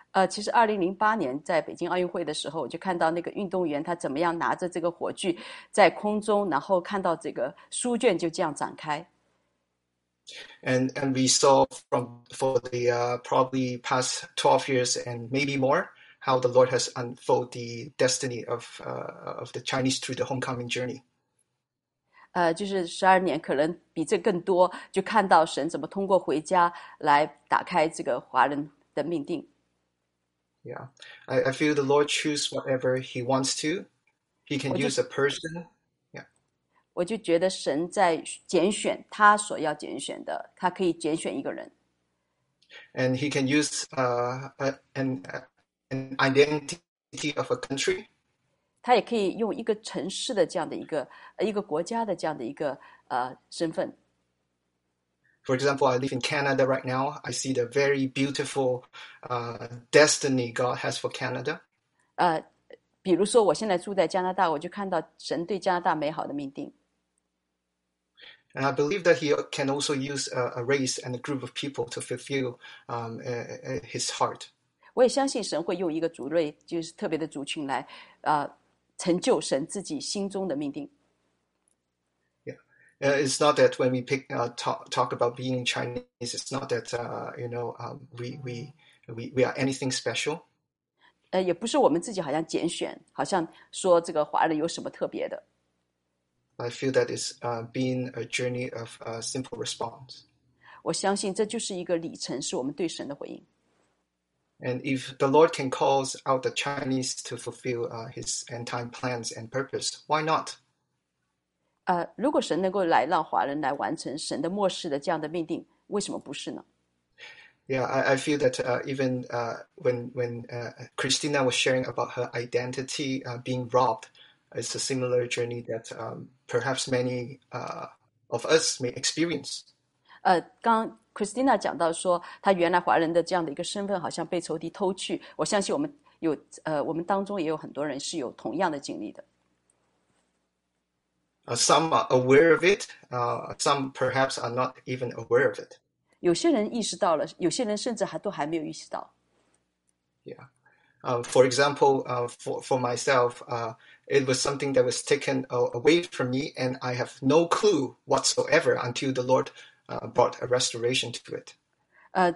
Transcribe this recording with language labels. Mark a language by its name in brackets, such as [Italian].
[Chinese] 其实2008年在北京奥运会的时候，我就看到那个运动员他怎么样拿着这个火炬在空中，然后看到这个书卷就这样展开。 [English] And we saw probably past 12 years and maybe more,how the Lord has unfolded the destiny of the Chinese through the homecoming journey. [Chinese] 就是12年可能比这更多，就看到神怎么通过回家来打开这个华人的命定。 [English] Yeah, I feel the Lord choose whatever he wants to. He can use a person. Yeah. [Chinese] 我就觉得神在拣选他所要拣选的，他可以拣选一个人。 [English] And he can use an identity of a country. [Chinese] 他也可以用一个城市的这样的一个国家的这样的一个身份。 [English] For example, I live in Canada right now. I see the very beautiful destiny God has for Canada. [Chinese] 比如说我现在住在加拿大，我就看到神对加拿大美好的命定。 [English] And I believe that he can also use a race and a group of people to fulfill his heart. [Chinese] 我也相信神会用一个族类，就是特别的族群来，成就神自己心中的命定。 [English] It's not that when we pick talk about being Chinese, it's not that we are anything special. [Chinese] 也不是我们自己好像拣选，好像说这个华人有什么特别的。 [English] I feel that it's being a journey of a simple response. [Chinese] 我相信这就是一个里程，是我们对神的回应。 [English] And if the Lord can call out the Chinese to fulfill his end time plans and purpose, why not? [Chinese] 如果神能够来让华人来完成神的末世的这样的命定，为什么不是呢？ [English] Yeah, I feel that when Christina was sharing about her identity being robbed, it's a similar journey that perhaps many of us may experience. [Chinese] 刚 Christina 讲到说她原来华人的这样的一个身份好像被仇敌偷去，我相信我们有我们当中也有很多人是有同样的经历的。 [English] Some are aware of it. Some perhaps are not even aware of it. [Chinese] 有些人意识到了，有些人甚至还都还没有意识到。 [English] Yeah. For example, for myself, it was something that was taken away from me, and I have no clue whatsoever until the Lord brought a restoration to it.